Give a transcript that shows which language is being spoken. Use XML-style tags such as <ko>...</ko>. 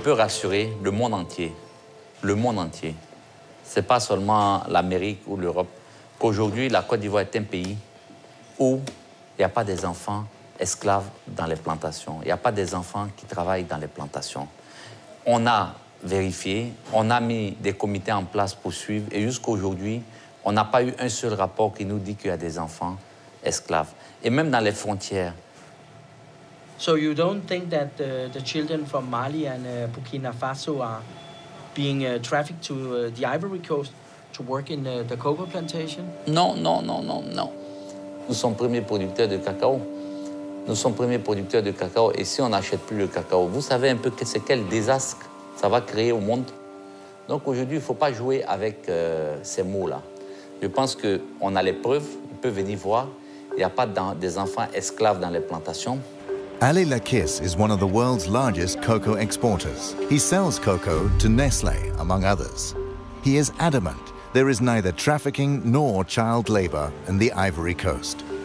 <fr>peux rassurer le monde entier, c'est pas seulement l'Amérique ou l'Europe, qu'aujourd'hui, la Côte d'Ivoire est un pays où il n'y a pas des enfants esclaves dans les plantations. Il n'y a pas des enfants qui travaillent dans les plantations. On a vérifié, on a mis des comités en place pour suivre, et jusqu'à aujourd'hui, on n'a pas eu un seul rapport qui nous dit qu'il y a des enfants esclaves. Et même dans les frontières.</fr> <en>So you don't think that the children from Mali and Burkina Faso are being trafficked to the Ivory Coast to work in the cocoa plantation?</en> <fr>Non, non, non, non, non. Nous sommes premiers producteurs de cacao. Nous sommes premiers producteurs de cacao, et si on n'achète plus le cacao, vous savez un peu que c'est quel désastre ça va créer au monde. Donc aujourd'hui, il ne faut pas jouer avec ces mots-là. Je pense qu'on a les preuves, on peut venir voir. Il n'y a pas des enfants esclaves dans les plantations.</fr> <en>Ali Lakis is one of the world's largest cocoa exporters. He sells cocoa to Nestlé, among others. He is adamant there is neither trafficking nor child labor in the Ivory Coast.</en>